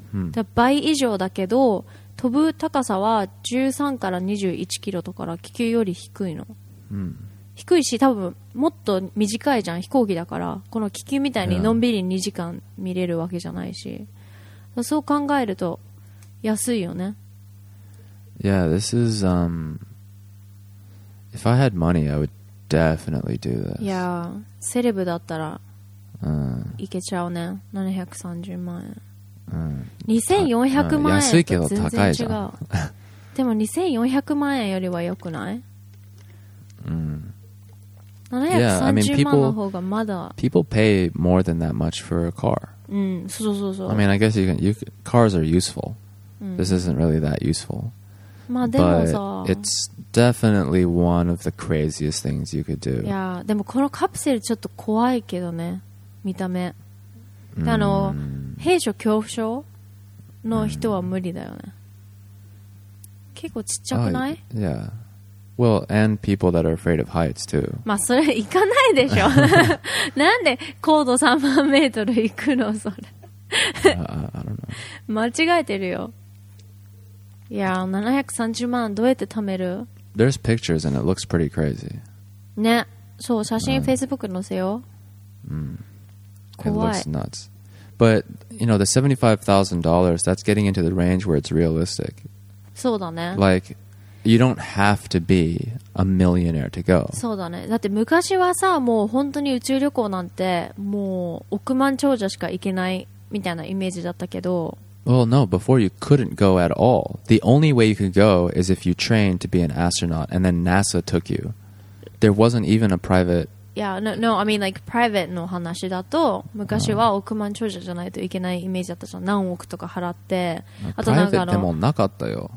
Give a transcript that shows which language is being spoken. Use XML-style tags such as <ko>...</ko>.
<ja>だ倍以上だけど、飛ぶ高さは13から21キロとから気球より低いの。低いし、多分もっと短いじゃん、飛行機だから。この気球みたいにのんびり2時間見れるわけじゃないし、そう考えると安いよね。</ja> <en>Yeah, this is if I had money, I would definitely do this. Yeah,</en> <ja>セレブだったらいけちゃうね。 730万円、2400万円って全然違う。安いけど高いじゃん。でも2400万円よりは良くない？ 730 万の方がまだ。</ja> <en>People pay more than that much for a car.</en> <ja>そう。</ja> <en>I mean, I guess cars are useful. This isn't really that useful.</en> <ja>まあでもさ、</ja> <en>It's definitely one of the craziest things you could do.</en> <ja>いや、でもこのカプセルちょっと怖いけどね、見た目。閉所恐怖症の人は無理だよね。結構ちっちゃくない？</ja> <en>Yeah. Well, and people that are afraid of heights too.</en> <ja>まあそれ行かないでしょ。なんで高度3万メートル行くのそれ。</ja> <en>I don't know.</en> <ja>間違えてるよ。いや、730万どうやって貯める？</ja> <en>There's pictures and it looks pretty crazy.</en> <ja>ね、そう、写真 Facebook 載せよう。怖い。</ja> <en>It looks nuts. But, you know, the $75,000, that's getting into the range where it's realistic.</en> <ja>そうだね。</ja> <en>Like,You don't have to be a millionaire to go.</en> <ja>そうだね。だって昔はさ、もう本当に宇宙旅行なんてもう億万長者しか行けないみたいなイメージだったけど。</ja> <en>Well, no. Before you couldn't go at all. The only way you could go is if you trained to be an astronaut, and then NASA took you. There wasn't even a private. Yeah, no. I mean, like private</en> <ja>の話だと、昔は億万長者じゃないといけないイメージだったじゃん。何億とか払って、あとなんかの。Private でもなかったよ。</ja>